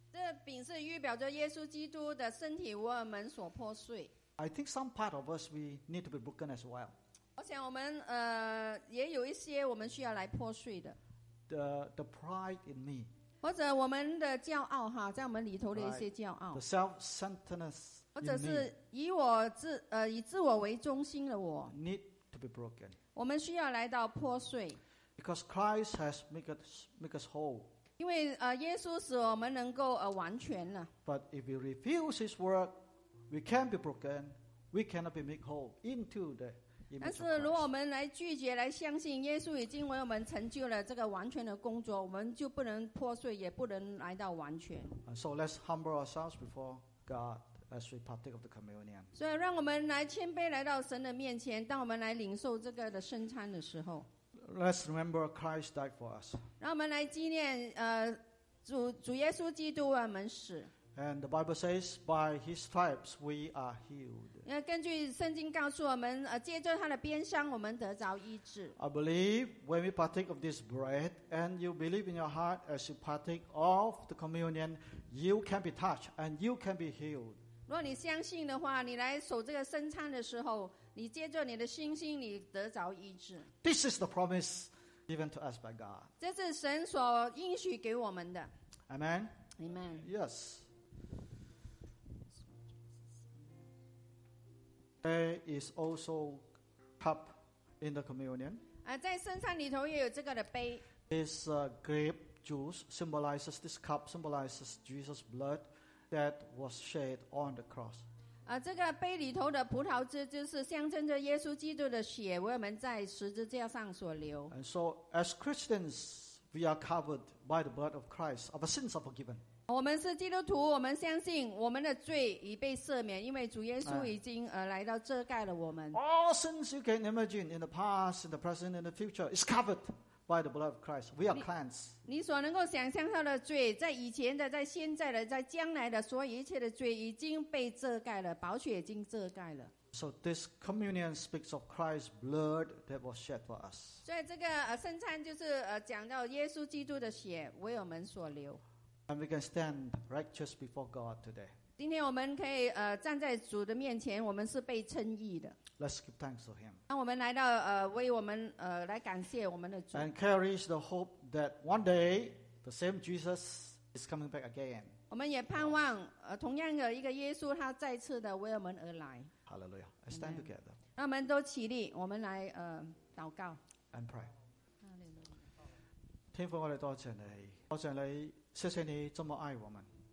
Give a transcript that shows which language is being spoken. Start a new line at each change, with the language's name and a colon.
Chinese: 这饼是预表着耶稣基督的身体为我们所破碎。
English: I think some part of us we need to be broken as well.
Chinese: 我想我们也有一些我们需要来破碎的。
English: The pride in me.
Chinese: 或者我们的骄傲哈，在我们里头的一些骄傲。
English: Right. The self-centeredness.
Chinese: 或者是以自我为中心的我。
English: Need to be broken.
Chinese: 我们需要来到破碎。
English: Because Christ has made us whole.
Chinese: 因为耶稣使我们能够完全了。
English: But if we refuse His work, we can be broken. We cannot be made whole into the image of Christ.
Chinese: 但是如果我们来拒绝来相信耶稣已经为我们成就了这个完全的工作，我们就不能破碎，也不能来到完全。
English: So let's humble ourselves before God as we partake of the communion.
Chinese: 所以让我们来谦卑来到神的面前，当我们来领受这个的圣餐的时候。
English: Let's remember Christ died for us.
Chinese: 让我们来纪念主耶稣基督为我们死。
English: And the Bible says, by His stripes we are healed.
Chinese: 那根据圣经告诉我们，借着他的鞭伤，我们得着医治。
English: I believe when we partake of this bread, and you believe in your heart as you partake of the communion, you can be touched and you can be healed.
Chinese: 如果你相信的话，你来守这个圣餐的时候，你借着你的信心，你得着医治。
English: This is the promise given to us by God.
Chinese: 这是神所应许给我们的。
English: Amen. Amen. Yes. Is also cup in the communion.
Chinese: 在圣餐里头也有这个的杯。
English: This grape juice symbolizes this cup symbolizes Jesus' blood that was shed on the cross.
Chinese: 这个杯里头的葡萄汁就是象征着耶稣基督的血为我们在十字架上所流。
English: And so, as Christians, we are covered by the blood of Christ. Our sins are forgiven.
Chinese: 我们是基督徒，我们相信我们的罪已被赦免，因为主耶稣已经来到遮盖了我们。
English: All sins you can imagine in the past, in the present, in the future is covered by the blood of Christ. We are cleansed.
Chinese: 你所能够想象到的罪，在以前的、在现在的、在将来的，所有一切的罪已经被遮盖了，宝血已经遮盖了。
English: So this communion speaks of Christ's blood that was shed for us.
Chinese: 所以这个圣餐就是讲到耶稣基督的血为我们所流。
English: And we can stand righteous before God today.
Chinese: 今天我们可以站在主的面前，我们是被称义的。
English: Let's give thanks to Him.
Chinese: 让我们来到为我们来感谢我们的主。
English: And carry the hope that one day the same Jesus is coming back again.
Chinese: 我们也盼望同样的一个耶稣，他再次的为我们而来。
English: Hallelujah! Let's stand together.
Chinese: 让我们都起立，我们来祷告。
English: And pray.
Chinese: 天父，我们多谢你，多谢你。谢谢你这么爱我们。